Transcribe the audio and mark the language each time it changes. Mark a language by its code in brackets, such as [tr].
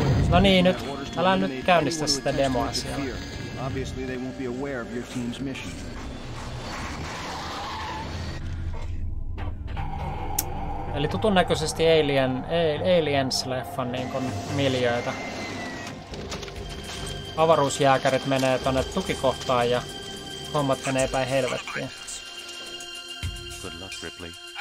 [fi] No niin, nyt älä nyt käynnistä sitä demoa siellä. [en] Obviously they won't be aware of your team's mission. [fi] Eli tutun näköisesti Aliens-leffan niinku miljöitä. Avaruusjääkärit menee tonne tukikohtaan ja hommat menee päin helvettiin. [en] Good luck, Ripley.